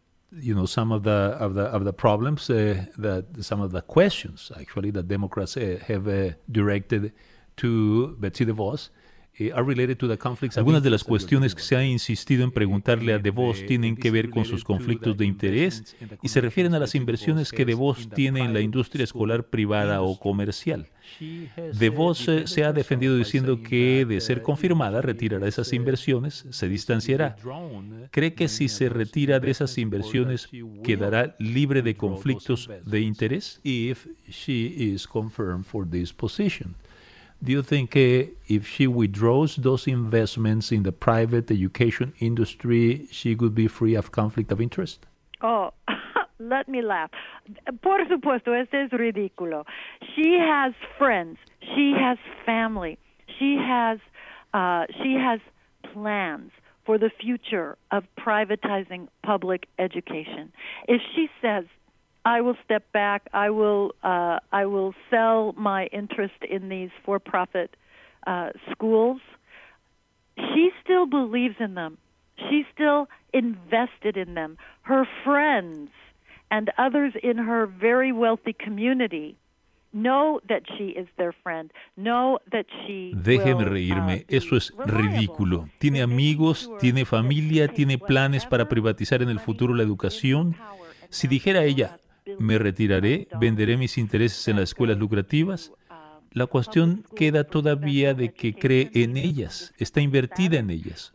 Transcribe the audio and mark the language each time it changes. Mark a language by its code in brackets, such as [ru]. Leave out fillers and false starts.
[en] You know, some of the problems that some of the questions actually that Democrats have directed to Betsy DeVos are related to the conflicts. [es] Algunas de las cuestiones que se ha insistido en preguntarle a DeVos tienen que ver con sus conflictos de interés y se refieren a las inversiones que DeVos tiene en la industria escolar privada o comercial. DeVos se ha defendido diciendo que, de ser confirmada, retirará esas inversiones, se distanciará. ¿Cree que si se retira de esas inversiones quedará libre de conflictos de interés? [en] If she is confirmed for this position, do you think if she withdraws those investments in the private education industry, she would be free of conflict of interest? Oh, Let me laugh. [es] Por supuesto, este es ridículo. [en] She has friends. She has family. She has plans for the future of privatizing public education. If she says, I will step back, I will sell my interest in these for-profit schools, she still believes in them. She's still invested in them. Her friends and others in her very wealthy community know that she is their friend, know that she [es] Déjeme reírme, eso es ridículo. Tiene amigos, tiene familia, tiene planes para privatizar en el futuro la educación. Si dijera ella, me retiraré, venderé mis intereses en las escuelas lucrativas, la cuestión queda todavía de que cree en ellas, está invertida en ellas.